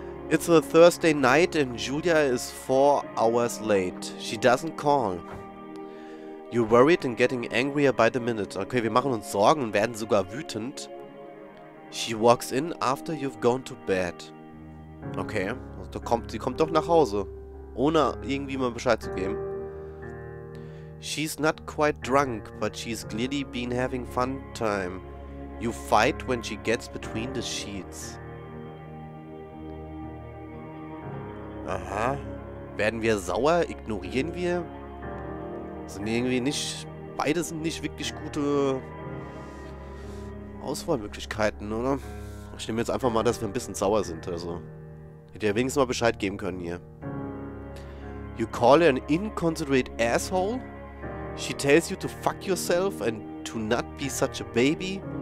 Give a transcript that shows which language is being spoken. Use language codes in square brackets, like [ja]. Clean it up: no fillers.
[en] It's a Thursday night and Julia is 4 hours late. She doesn't call. You're worried and getting angrier by the minute. [de] Okay, wir machen uns Sorgen und werden sogar wütend. [en] She walks in after you've gone to bed. Okay, [de] also sie kommt doch nach Hause. Ohne irgendwie mal Bescheid zu geben. [en] She's not quite drunk, but she's clearly been having fun time. You fight when she gets between the sheets. [de] Aha. Werden wir sauer? Ignorieren wir? Sind irgendwie nicht... Beide sind nicht wirklich gute... Auswahlmöglichkeiten, oder? Ich nehme jetzt einfach mal, dass wir ein bisschen sauer sind, also. Hätte ja wenigstens mal Bescheid geben können hier. [en] You call her an inconsiderate asshole? She tells you to fuck yourself and to not be such a baby.